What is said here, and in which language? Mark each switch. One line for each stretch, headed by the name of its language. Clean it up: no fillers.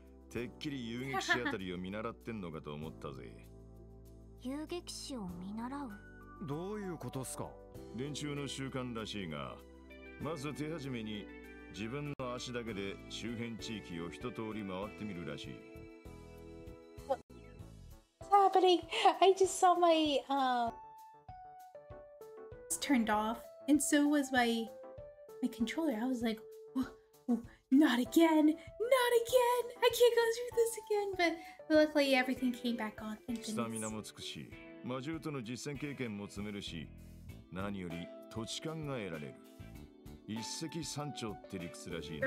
Japanese: てっきり遊撃士あたりを見習ってんのかと思ったぜ。遊撃士を見習う？どういうことっすか？連中の習慣らしいが、まず手始めに自分の足だけで周辺地域を一通り回ってみるらしい。
English: What's happening? I just saw my turned off, and so was my controller. I was like, not again, not again. I can't go through this again. But luckily, everything came back on. Thank goodness.
Japanese: スタミナもつくし、魔獣との実戦経験も積めるし、何より土地勘が得られる。一石三鳥って理屈らしいな。